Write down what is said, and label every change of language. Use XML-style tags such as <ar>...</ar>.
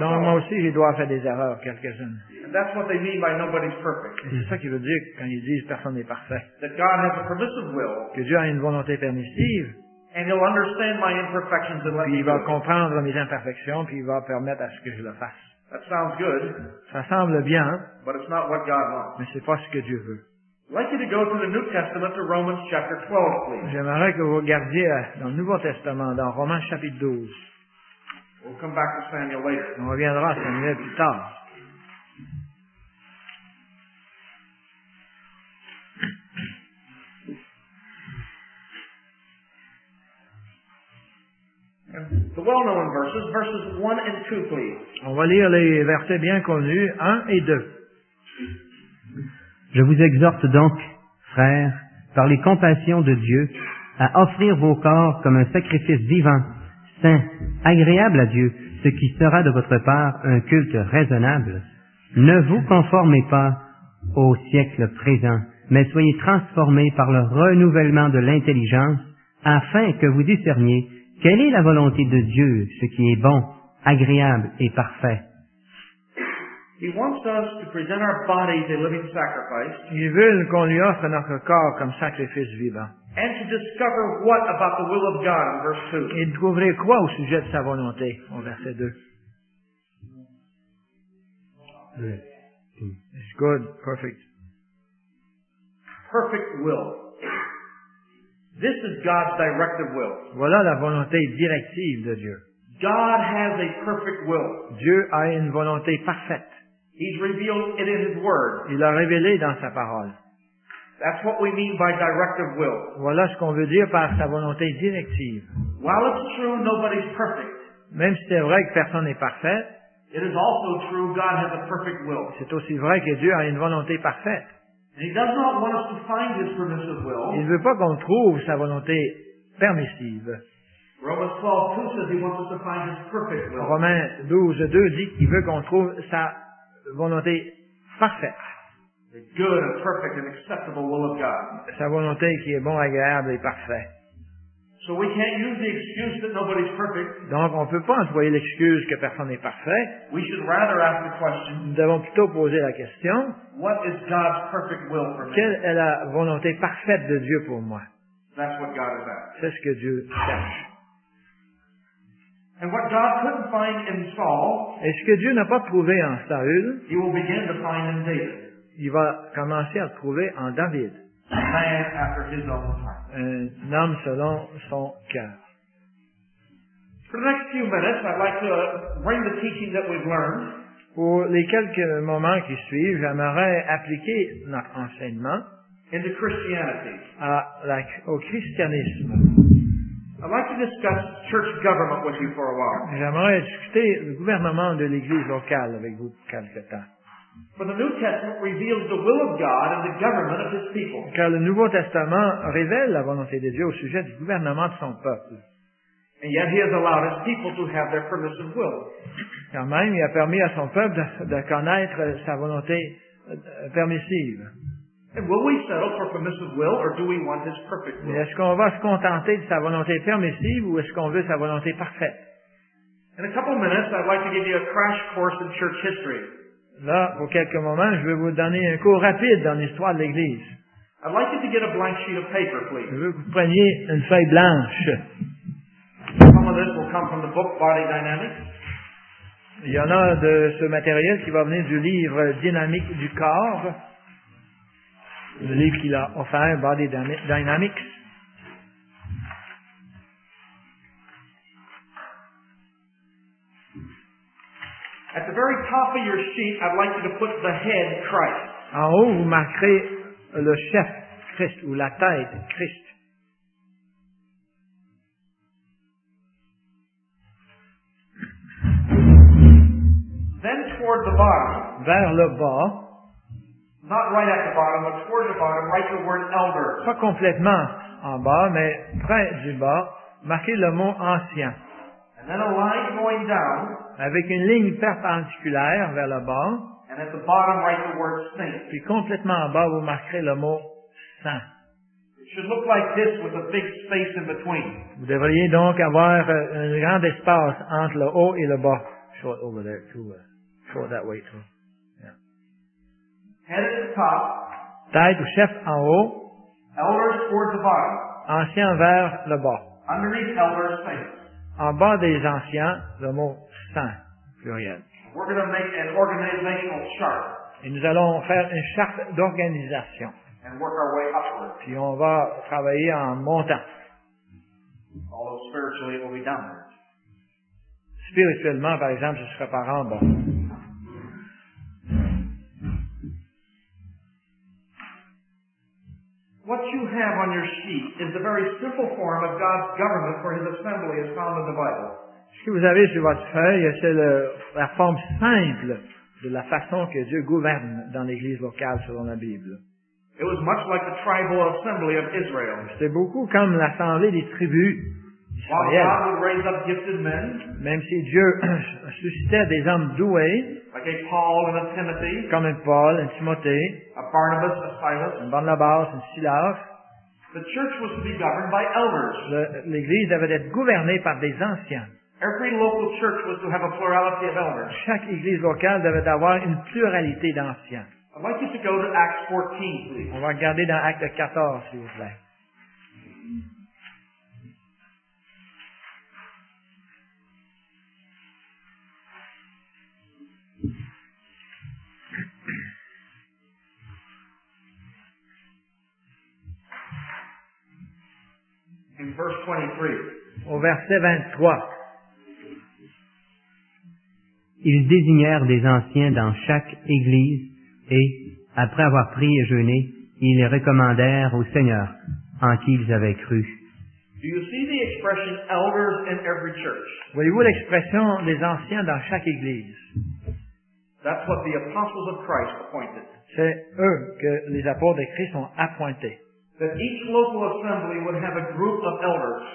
<fr>Donc moi aussi, je dois faire des erreurs quelques-unes.</fr> <en>That's what they mean by nobody's perfect.</en> <fr>C'est ça qu'ils veulent dire quand ils disent personne n'est parfait.</fr> <en>That God has a permissive will.</en> <fr>Que Dieu a une volonté permissive.</fr> <en>And he'll understand my imperfections and let me.</en> <fr>Puis il va comprendre mes imperfections puis il va permettre à ce que je le fasse.</fr> <en>That sounds good.</en> <fr>Ça semble bien.</fr> <en>But it's not what God wants.</en> <fr>Mais c'est pas ce que Dieu veut.</fr> <en>I'd like you to go to the New Testament to Romans chapter 12, please.</en> <fr>J'aimerais que vous regardiez dans le Nouveau Testament, dans Romains chapitre 12.</fr> <en>We'll come back to Samuel later.</en> <fr>On reviendra à Samuel plus tard.</fr> <en>The well-known verses 1 and 2, please.</en> <fr>On va lire les versets bien connus, 1 et 2. Je vous exhorte donc, frères, par les compassions de Dieu, à offrir vos corps comme un sacrifice vivant, saint, agréable à Dieu, ce qui sera de votre part un culte raisonnable. Ne vous conformez pas au siècle présent, mais soyez transformés par le renouvellement de l'intelligence afin que vous discerniez quelle est la volonté de Dieu, ce qui est bon, agréable et parfait.</fr> <en>He wants us to present our bodies a living sacrifice.</en> <fr>Il veut qu'on lui offre notre corps comme sacrifice vivant.</fr> <en>And to discover what about the will of God in verse 2.</en> <fr>Et découvrir quoi au sujet de sa volonté, au verset 2.</fr> <en>It's good, perfect. Perfect will. This is God's directive will.</en> <fr>Voilà la volonté directive de Dieu.</fr> <en>God has a perfect will.</en> <fr>Dieu a une volonté parfaite.</fr> <en>He's revealed it in His Word.</en> <fr>Il l'a révélé dans sa parole.</fr> <en>That's what we mean by directive will.</en> <fr>Voilà ce qu'on veut dire par sa volonté directive.</fr> <en>While it's true, nobody's perfect.</en> <fr>Même si c'est vrai que personne n'est parfait,</fr> <en>it is also true God has a perfect will.</en> <fr>C'est aussi vrai que Dieu a une volonté parfaite.</fr> <en>And He does not want us to find His permissive will.</en> <fr>Il ne veut pas qu'on trouve sa volonté permissive.</fr> <en>Romans 12:2 says He wants us to find His perfect will.</en> <fr>Romains 12:2 dit qu'il veut qu'on trouve sa volonté parfaite.</fr> <en>The good and perfect and acceptable will of God.</en> <fr>Sa volonté qui est bon, agréable et parfait.</fr> <en>So we can't use the excuse that nobody's perfect.</en> <fr>Donc on ne peut pas employer l'excuse que personne n'est parfait.</fr> <en>We should rather ask the question.</en> <fr>Nous devons plutôt poser la question.</fr> <en>What is God's perfect will for me?</en> <fr>Quelle est la volonté parfaite de Dieu pour moi?</fr> <en>That's what God is after.</en> <fr>C'est ce que Dieu cherche.</fr> <en>And what God couldn't find in Saul,</en> <fr>et ce que Dieu n'a pas trouvé en Saül,</fr> <en>He will begin to find in David.</en> <fr>Il va commencer à trouver en David.</fr> <en>A man after his own heart.</en> <fr>Un homme selon son cœur.</fr> <en>For the next few minutes, I'd like to bring the teaching that we've learned.</en> <fr>Pour les quelques moments qui suivent, j'aimerais appliquer notre enseignement</fr> <en>into Christianity.</en> <fr>Au christianisme.</fr> <en>I'd like to discuss church government with you for a while.</en> <fr>J'aimerais discuter le gouvernement de l'Église locale avec vous quelque temps.</fr> <en>For the New Testament reveals the will of God and the government of His people.</en> <fr>Car le Nouveau Testament révèle la volonté de Dieu au sujet du gouvernement de son peuple.</fr> <en>And yet He has allowed His people to have their permissive will.</en> <fr>Quand même, il a permis à son peuple de connaître sa volonté permissive.</fr> <en>And will we settle for permissive will, or do we want His perfect will?</en> <fr>Est-ce qu'on va se contenter de sa volonté permissive, ou est-ce qu'on veut sa volonté parfaite?</fr> <en>In a couple of minutes, I'd like to give you a crash course in church history.</en> <fr>Là, pour quelques moments, je vais vous donner un cours rapide dans l'histoire de l'Église.</fr> <en>I'd like you to get a blank sheet of paper, please.</en> <fr>Je veux que vous preniez une feuille blanche.</fr> <en>Some of this will come from the book Body Dynamics.</en> <fr>Il y en a de ce matériel qui va venir du livre Dynamique du corps. Le livre qu'il a offert, Body Dynamics.</fr> <en>At the very top of your sheet, I'd like you to put the head Christ.</en> <fr>En haut, vous marquerez le chef Christ ou la tête Christ.</fr> <en>Then toward the bottom.</en> <fr>Vers le bas.</fr> <en>Not right at the bottom, but toward the bottom, write the word elder.</en> <fr>Pas complètement en bas, mais près du bas, marquez le mot ancien.</fr> <en>And then a line going down.</en> <fr>Avec une ligne perpendiculaire vers le bas.</fr> <en>And at the bottom, write the word saint.</en> <fr>Puis complètement en bas, vous marquerez le mot saint.</fr> <en>It should look like this with a big space in between.</en> <fr>Vous devriez donc avoir un grand espace entre le haut et le bas.</fr> <en>Short over there too. Short that way too. Yeah. Head at the top.</en> <fr>Tête ou chef en haut.</fr> <en>Elders toward the bottom.</en> <fr>Ancien vers le bas.</fr> <en>Underneath elders saint.</en> <fr>En bas des anciens, le mot saint, pluriel.</fr> <en>We're going to make an organizational chart.</en> <fr>Et nous allons faire une charte d'organisation.</fr> <en>And work our way upward.</en> <fr>Puis on va travailler en montant.</fr> <en>Although spiritually it will be downward.</en> <fr>Spirituellement, par exemple, ce sera par en bas.</fr> <en>What you have on your sheet is the very simple form of God's government for His assembly as found in the Bible.</en> <fr>Ce que vous avez sur votre feuille, c'est la forme simple de la façon que Dieu gouverne dans l'Église locale selon la Bible.</fr> <en>It was much like the tribal assembly of Israel.</en> <fr>C'était beaucoup comme l'assemblée des tribus Israël.</fr> <en>God would raise up gifted men,</en> <fr>même si Dieu suscitait des hommes doués,</fr> <en>like a Paul and a Timothy,</en> <fr>comme un Paul, un Timothée,</fr> <en>a Barnabas, a Silas,</en> <fr>un Barnabas, un Silas,</fr> <en>the church was to be governed by elders.</en> <fr>L'Église devait être gouvernée par des anciens.</fr> <en>Every local church was to have a plurality of elders.</en> <fr>Chaque église locale devait avoir une pluralité d'anciens.</fr> <en>I'd like you to go to Acts 14, please.</en> <fr>On va regarder dans Actes 14, s'il vous plaît.</fr> <en>In verse 23.</en> <fr>Au verset 23. Ils désignèrent des anciens dans chaque église et, après avoir prié et jeûné, ils les recommandèrent au Seigneur en qui ils avaient cru.</fr> <en>Do you see the expression elders in every church?</en> <fr>Voyez-vous l'expression des anciens dans chaque église?</fr> <en>That's what the apostles of Christ appointed.</en> <fr>C'est eux que les apôtres de Christ ont appointés.</fr> <en>That each local assembly would have a group of elders.</en>